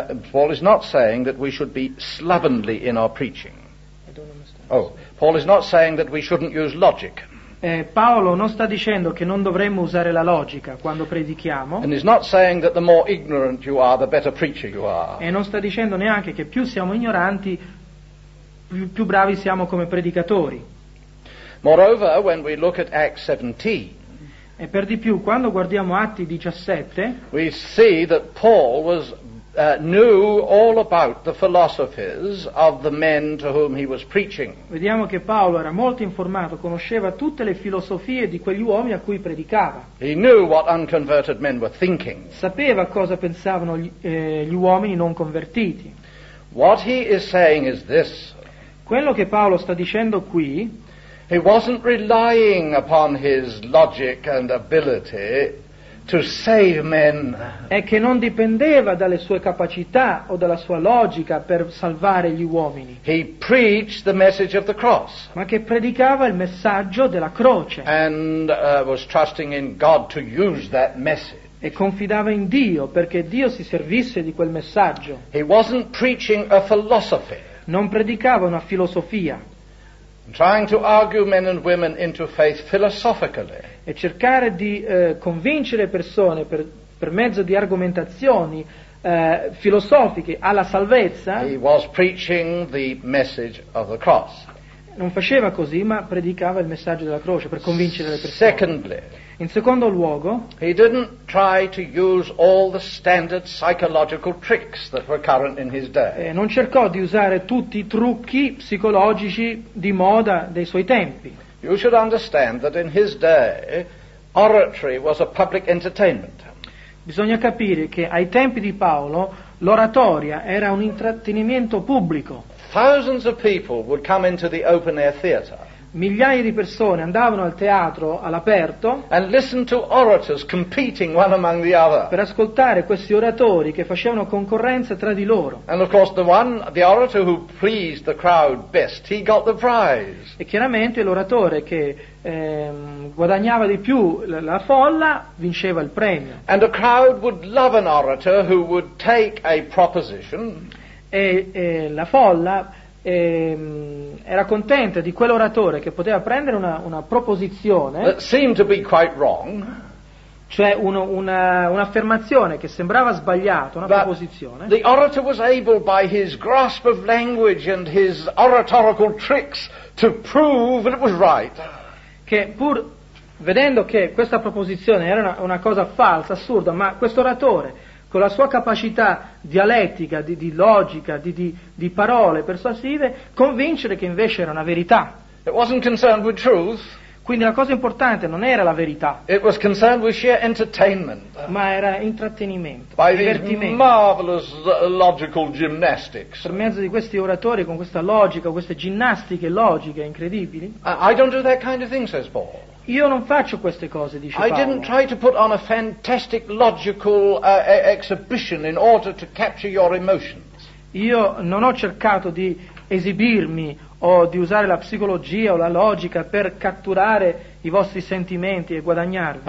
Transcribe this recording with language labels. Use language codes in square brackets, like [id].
[en] Paul is not saying that we should be slovenly in our preaching. I don't understand. Oh, Paul is not saying that we shouldn't use logic. [it] Paolo non sta dicendo che non dovremmo usare la logica quando predichiamo. [en] And is not saying that the more ignorant you are, the better preacher you are. [it] E non sta dicendo neanche che più siamo ignoranti, più bravi siamo come predicatori. [en] Moreover, when we look at Acts 17. [it] E per di più, quando guardiamo Atti 17, [en] we see that Paul was knew all about the philosophies of the men to whom he was preaching. [it] Vediamo che Paolo era molto informato, conosceva tutte le filosofie di quegli uomini a cui predicava. [en] He knew what unconverted men were thinking. [it] Sapeva cosa pensavano gli uomini non convertiti. [en] What he is saying is this. [it] Quello che Paolo sta dicendo qui. [en] He wasn't relying upon his logic and ability to save men. [it] È che non dipendeva dalle sue capacità o dalla sua logica per salvare gli uomini. [en] He preached the message of the cross. [it] Ma che predicava il messaggio della croce. [en] And was trusting in God to use that message. [it] E confidava in Dio perché Dio si servisse di quel messaggio. [en] He wasn't preaching a philosophy. [it] Non predicava una filosofia. [en] Trying to argue men and women into faith philosophically. [it] E cercare di convincere persone per mezzo di argomentazioni filosofiche alla salvezza. [en] He was preaching the message of the cross. [it] Non faceva così, ma predicava il messaggio della croce per convincere le persone. [en] Secondly, [it] in secondo luogo, [en] he didn't try to use all the standard psychological tricks that were current in his day. [it] Non cercò di usare tutti i trucchi psicologici di moda dei suoi tempi. [en] You should understand that in his day, oratory was a public entertainment. [it] Bisogna capire che ai tempi di Paolo l'oratoria era un intrattenimento pubblico. [en] Thousands of people would come into the open-air theater. [it] migliaia di persone andavano al teatro all'aperto [en] and listened to orators competing one among the other. [it] Per ascoltare questi oratori che facevano concorrenza tra di loro. [en] And of course the orator who pleased the crowd best, he got the prize. [it] E chiaramente l'oratore che guadagnava di più la folla vinceva il premio. [en] And a crowd would love an orator who would take a proposition. [it] E la folla era contenta di quell'oratore che poteva prendere una proposizione [en] that seemed to be quite wrong, [it] cioè un'affermazione che sembrava sbagliata, una proposizione. [en] The orator was able by his grasp of language and his oratorical tricks to prove that it was right. [it] Che pur vedendo che questa proposizione era una cosa falsa, assurda, ma questo oratore con la sua capacità dialettica, di logica, di parole persuasive, convincere che invece era una verità. [en] It wasn't concerned with truth. [it] Quindi la cosa importante non era la verità. [en] It was concerned with sheer entertainment. [it] Ma era intrattenimento, [en] by [it] divertimento. [en] These marvelous logical gymnastics. [it] Per mezzo di questi oratori con questa logica, queste ginnastiche logiche incredibili. [en] I don't do that kind of thing, says Paul. [it] Io non faccio queste cose, dice Paolo. [en] I didn't try to put on a fantastic logical exhibition in order to capture your emotions. [it] Io non ho cercato di esibirmi o di usare la psicologia o la logica per catturare i vostri sentimenti e guadagnarvi.